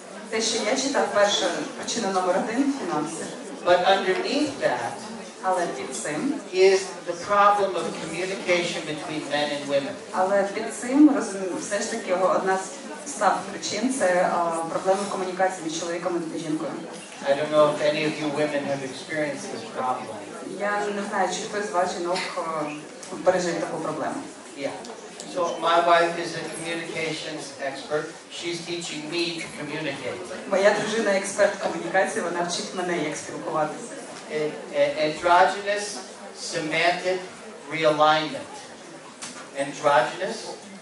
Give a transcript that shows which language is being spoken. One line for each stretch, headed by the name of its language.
Ukrainian: Те, що я читав першу, причина номер один – фінанси.
English: But underneath that,
Ukrainian: але під цим
English: is the problem of communication between men and women.
Ukrainian: Але під цим, все ж таки, одна з став причин – це проблема комунікації між чоловіком і жінкою.
English: I don't know if any of you women have experienced this problem.
Ukrainian: Я не знаю, чи хтось з вас жінок пережив таку проблему.
English: Yeah. So my wife is a communications expert. She's teaching me to communicate.
Ukrainian: Моя дружина – експерт комунікації, вона вчить мене, як спілкуватися.
English: Androgynous semantic realignment. Androgynous?